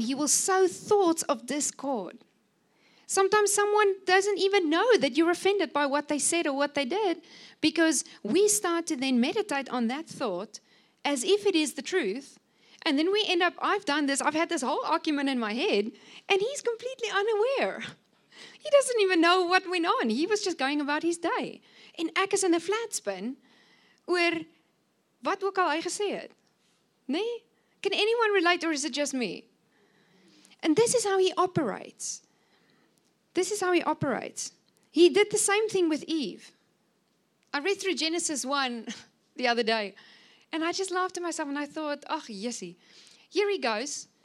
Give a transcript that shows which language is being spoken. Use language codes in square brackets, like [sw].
[en] He will sow thoughts of discord. Sometimes someone doesn't even know that you're offended by what they said or what they did, because we start to then meditate on that thought as if it is the truth. And then we end up, I've had this whole argument in my head, and he's completely unaware. He doesn't even know what went on. He was just going about his day. [af] En ek is in 'n [en] flat spin [af] oor wat ook al hy gesê het. Nee? [en] Can anyone relate or is it just me? And this is how he operates. This is how he operates. He did the same thing with Eve. I read through Genesis 1 the other day. And I just laughed to myself and I thought, ach, yesie. Here he goes.